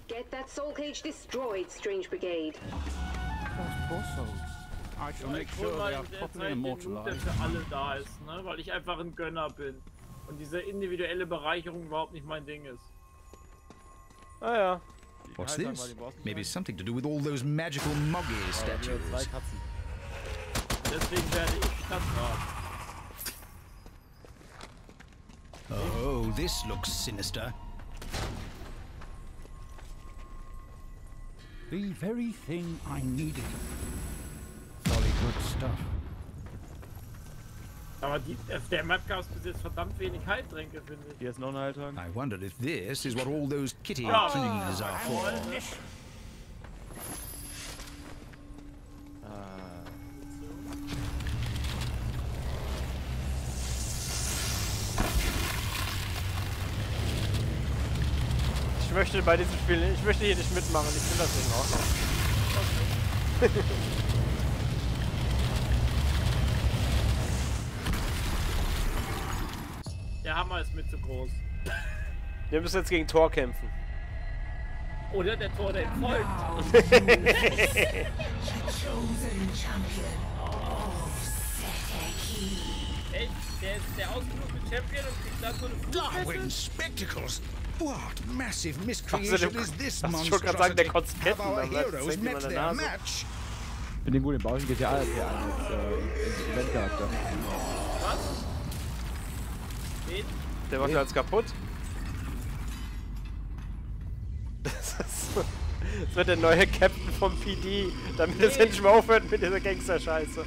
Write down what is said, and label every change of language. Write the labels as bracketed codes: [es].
[en] that Soul Cage destroyed Strange Brigade. [de] Ich [en] will make sure they are properly immortalized. [de] Für alle da ist, ne? Weil ich einfach ein Gönner bin. Und diese individuelle Bereicherung überhaupt nicht mein Ding ist. Ah ja. [en] What's this? Maybe something to do with all those magical Moggy statues. [de] Deswegen werde ich Stadtrat. [en] Oh, this looks sinister. The very thing I needed. Solid good stuff. [de] Aber der Mapcast besitzt verdammt wenig Heiltränke, finde ich. Hier ist noch ein Heiltrank. [en] I wondered if this is what all those kitty keys are for. [de] Ich möchte bei diesem Spiel, ich möchte hier nicht mitmachen, ich finde das nicht in Ordnung. Der Hammer ist mir zu groß. Wir müssen jetzt gegen Thor kämpfen. Oder der Thor, der folgt. Echt? Der ist der ausgesuchte Champion und kriegt dann so eine Fußfessel? [en] Darwin Spectacles! What massive miscreation is this monstrosity? Have our heroes met their match? [de] Ich bin den guten Bauschen GTA als Eventcharakter. Was? Der macht alles kaputt. Das wird der neue Captain vom PD, damit es endlich mal aufhört mit dieser Gangster-Scheiße.